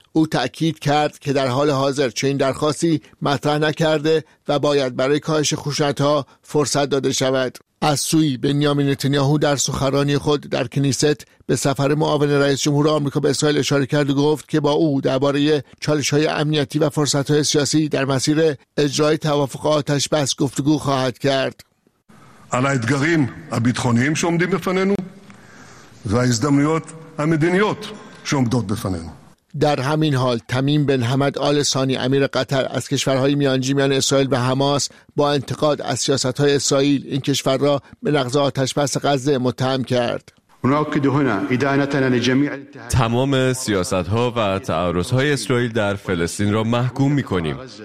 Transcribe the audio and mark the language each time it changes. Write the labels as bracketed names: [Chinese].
[Persian] او تأکید کرد که در حال حاضر چنین درخواستی مطرح نکرده و باید برای کاهش خشونت‌ها فرصت داده شود. از سوی بنیامین نتانیاهو در سخنرانی خود در کنیست به سفر معاون رئیس جمهور آمریکا به اسرائیل اشاره کرد و گفت که با او درباره چالش‌های امنیتی و فرصت‌های سیاسی در مسیر اجرای توافق آتش بس گفتگو خواهد کرد. [Hebrew] על האתגרים הביטחוניים שעומדים בפנינו וההזדמנויות המדיניות שעומדות בפנינו. [Persian] در همین حال تمیم بن حمد آل ثانی امیر قطر از کشورهای میانجی میان اسرائیل و حماس با انتقاد از سیاست‌های اسرائیل این کشور را به نقض آتش‌بس غزه متهم کرد. تمام سیاست‌ها و تعرض‌های اسرائیل در فلسطین را محکوم می‌کنیم.